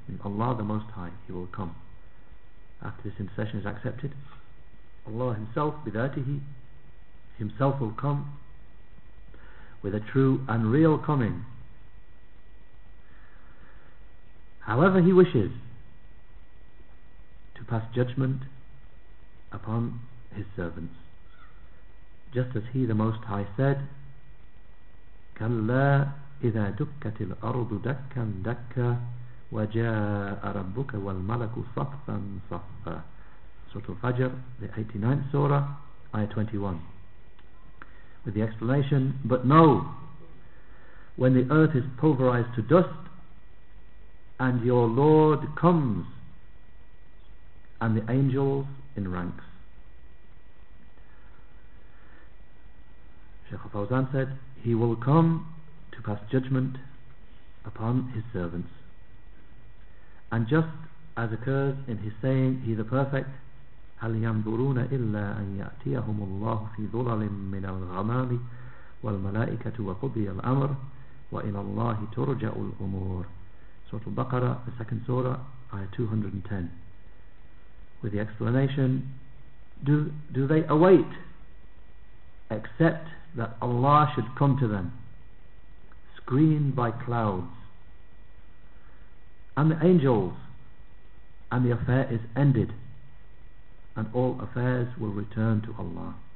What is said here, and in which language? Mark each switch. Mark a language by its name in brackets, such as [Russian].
[English] In Allah the Most High, He will come. After this intercession is accepted, Allah Himself, bidatihi, Himself will come with a true and real coming. However He wishes to pass judgment upon His servants. Just as He, the Most High, said, [Arabic] كَلَّا إِذَا دُكَّتِ الْأَرْضُ دَكًّا دَكًّا وَجَاءَ رَبُّكَ وَالْمَلَكُ صَفًّا صَفًّا. [English] Surah Al-Fajr, the 89th Surah, Ayah 21. With the explanation, but no, when the earth is pulverized to dust, and your Lord comes, and the angels in ranks. Shaykh Fawzan said, He will come to pass judgment upon His servants. And just as occurs in his saying, He the Perfect, [Arabic] هَلْ يَنْظُرُونَ إِلَّا أَنْ يَأْتِيَهُمُ اللَّهُ فِي ظُلَلٍ مِّنَ الْغَمَامِ وَالْمَلَائِكَةُ وَقُضِيَ الْأَمْرُ وَإِلَى اللَّهِ تُرْجَعُ الْأُمُورُ. [English] Surah Al-Baqarah, the second surah, ayah 210. With the explanation, do they await except that Allah should come to them screened by clouds and the angels, and the affair is ended and all affairs will return to Allah?